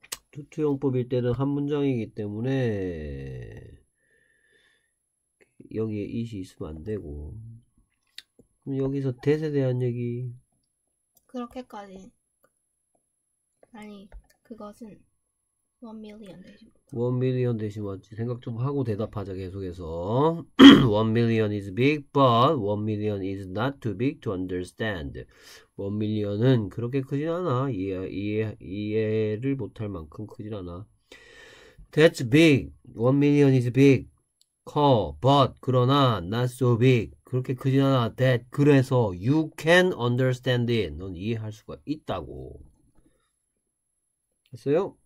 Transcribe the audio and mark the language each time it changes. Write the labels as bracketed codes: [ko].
[ko] 투투용법일 때는 한 문장이기 때문에 여기에 it이 있으면 안 되고. 그럼 여기서 that에 대한 얘기. 그렇게까지. 아니, 그것은 1 million 되죠. 1 million 대신 왔지. 생각 좀 하고 대답하자, 계속해서. [en] 1 million is big, but 1 million is not too big to understand. [ko] 1 million은 그렇게 크진 않아. 이해를 못할 만큼 크진 않아. [en] That's big. 1 million is big. [ko] 커. [en] But, [ko] 그러나, [en] not so big. [ko] 그렇게 크진 않아. [en] That. [ko] 그래서, [en] you can understand it. [ko] 넌 이해할 수가 있다고. 됐어요?